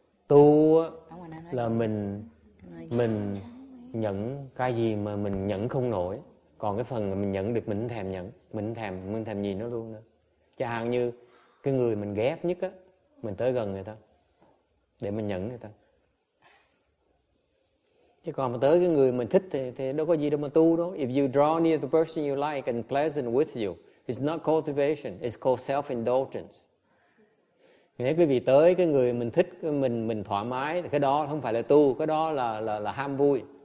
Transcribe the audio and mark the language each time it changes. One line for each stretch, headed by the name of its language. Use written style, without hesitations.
Vietnamese: Tu là mình nhẫn cái gì mà mình nhẫn không nổi. Còn cái phần mình nhẫn được mình thèm nhẫn. Mình thèm nhìn nó luôn nữa. Chẳng hạn như cái người mình ghét nhất á, mình tới gần người ta để mình nhẫn người ta. Chứ còn mà tới cái người mình thích thì đâu có gì đâu mà tu đâu.
English: If you draw near the person you like and pleasant with you, it's not cultivation, it's called self-indulgence.
Vietnamese: Nếu quý vị tới cái người mình thích, mình thoải mái, cái đó không phải là tu, cái đó là ham vui.